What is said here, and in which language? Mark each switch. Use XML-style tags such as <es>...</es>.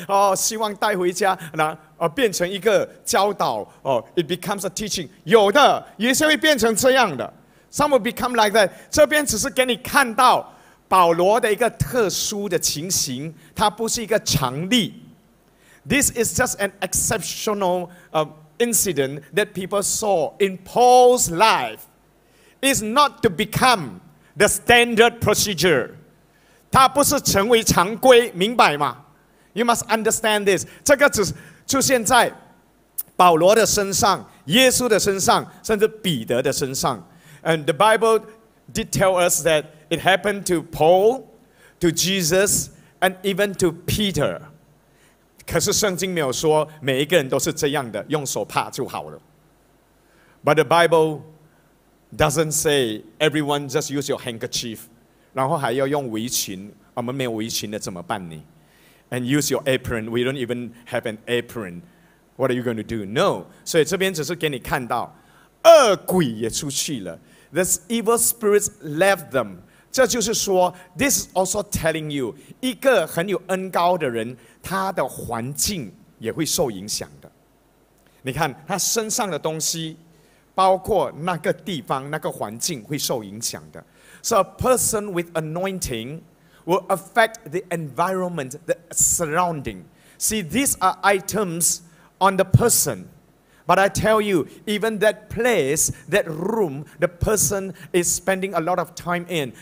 <zh>哦，希望带回家，然后变成一个教导。</zh> <en>哦 ，it becomes a teaching.</en> <zh>有的，有些会变成这样的。</zh> <en>Some will become like that.</en> <zh>这边只是给你看到保罗的一个特殊的情形，它不是一个常例。</zh> <en>This is just an exceptional incident that people saw in Paul's life. It's not to become the standard procedure.</en> <zh>它不是成为常规，明白吗？</zh> <en>You must understand this.</en> <zh>这个只出现在保罗的身上、耶稣的身上，甚至彼得的身上。</zh> <en>And the Bible did tell us that it happened to Paul, to Jesus, and even to Peter.</en> <zh>可是圣经没有说每一个人都是这样的，用手帕就好了。</zh> <en>But the Bible doesn't say everyone just use your handkerchief，</en> <zh>然后还要用围裙，我们没有围裙的怎么办呢</zh> <en>？And use your apron， we don't even have an apron， what are you going to do？</en> <zh>No， 所以这边只是给你看到，恶鬼也出去了 ，</zh> <en>this evil spirits left them。</en> <zh>这就是说 ，</zh> <en>this is also telling you，</en> <zh>一个很有恩膏的人。他的环境也会受影响的。你看他身上的东西，包括那个地方、那个环境会受影响的。</zh> <en>So a person with anointing will affect the environment, the surrounding. See, these are items on the person. But I tell you, even that place, that room, the person is spending a lot of time in.</en>